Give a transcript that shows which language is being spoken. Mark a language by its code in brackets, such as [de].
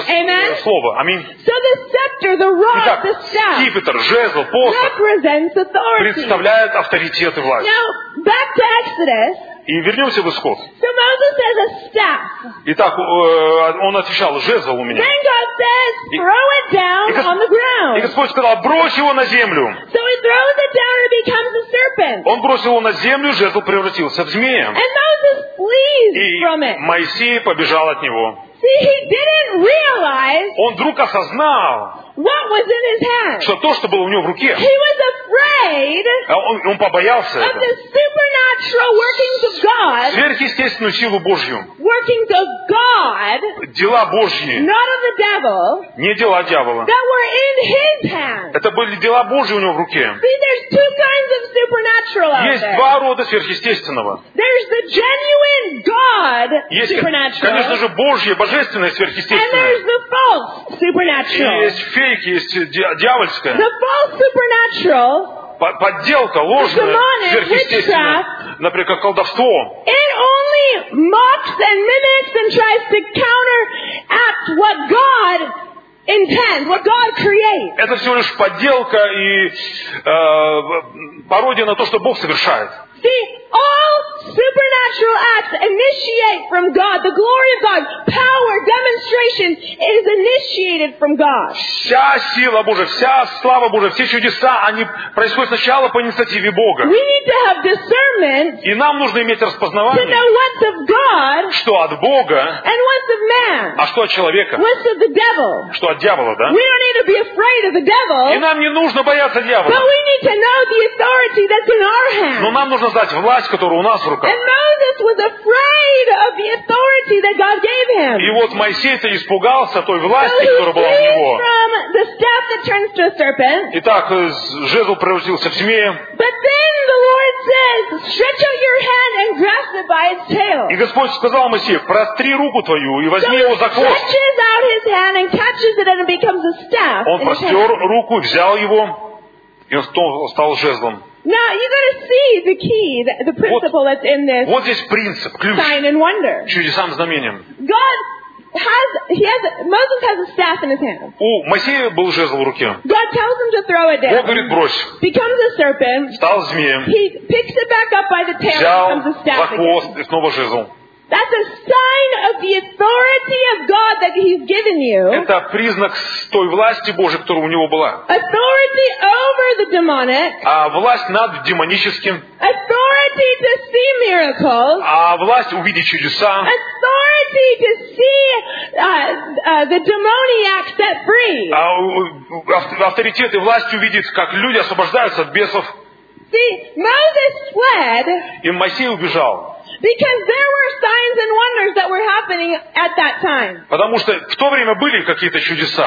[en] Amen. [ru] Слово. Аминь. [en] So the scepter, the rod, [ru] итак, [en] the staff, [ru] скипетр, жезл, посох представляют авторитет и власть. [en] Now, back to Exodus. [ru] И вернемся в Исход. [en] So Moses says, a staff. [ru] Итак, он отвечал, жезл у меня. [en] Then God says, throw it down on the ground. [ru] И Господь сказал, брось его на землю. [en] So he throws it down and it becomes a serpent. [ru] Он бросил его на землю, жезл превратился в змея. [en] And Moses flees from it. [ru] И Моисей побежал от него. [en] See, he didn't realize. [ru] Он вдруг осознал. [en] What was in his hand? [ru] Что то, что было у него в руке. [en] He was afraid. [ru] Он побоялся. [en] Of the supernatural workings of God. [ru] Сверхъестественную силу Божью. [en] Workings of God. [ru] Дела Божьи. [en] Not of the devil. [ru] Не дела дьявола. [en] That were in his hand. [ru] Это были дела Божьи у него в руке. [en] See, there's two kinds of supernatural. [ru] Есть два рода сверхъестественного. [en] There's the genuine God supernatural. [ru] Конечно же, Божье, божественное сверхъестественное. [en] And there's the false supernatural. [ru] Фейк есть дьявольская. [en] The false supernatural, [ru] подделка, ложная, сверхъестественная, например, как колдовство. [en] It only mocks and mimics and tries to counteract what God intends, what God creates. [ru] Это всего лишь подделка и пародия на то, что Бог совершает. [en] See, all supernatural acts initiate from God. The glory of God, power, demonstration is initiated from God. [ru] Вся сила Божия, вся слава Божия, все чудеса, они происходят сначала по инициативе Бога. [en] We need to have discernment. [ru] И нам нужно иметь распознавание. [en] To know what's of God. [ru] Что от Бога. [en] And what's of man. [ru] А что от человека. [en] What's of the devil. [ru] Что от дьявола, да? [en] We don't need to be afraid of the devil. [ru] И нам не нужно бояться дьявола. [en] But we need to know the authority that's in our hands. [ru] Но нам нужно знать власть, которая у нас в руках. [en] And Moses was afraid of the authority that God gave him. [ru] И вот Моисей-то испугался той власти, которая была у него. [en] From the staff that turns to a serpent. [ru] Итак, жезл превратился в змея. [en] But then the Lord says, stretch out your hand and grasp it by its tail. [ru] И Господь сказал Моисею, простри руку твою и возьми [en] so [ru] его за хвост. [en] He stretches out his hand and catches it and it becomes a staff. [ru] Он простер руку, взял его, и он стал жезлом. [en] Now you got to see the key, the principle [ru] вот, [en] that's in this [ru] вот здесь принцип, ключ, [en] sign and wonder. [ru] Чудесам, знамениям. [en] God has Moses has a staff in his hand. [ru] У Моисея был жезл в руке. [en] God tells him to throw it down. [ru] Бог говорит, брось. [en] Becomes a serpent. [ru] Стал змеем. [en] He picks it back up by the tail. [ru] Взял [en] and becomes a staff. [ru] За хвост и снова жезл. [en] That's a sign of the authority of God that He's given you. [ru] Это признак той власти Божьей, которая у него была. [en] Authority over the demonic. [ru] А власть над демоническим. [en] Authority to see miracles. [ru] А власть увидеть чудеса. [en] Authority to see the demoniac set free. [ru] А авторитет и власть увидеть, как люди освобождаются от бесов. [en] See, Moses fled. [ru] И Моисей убежал. [en] Because there were signs and wonders that were happening at that time. [ru] Потому что в то время были какие-то чудеса.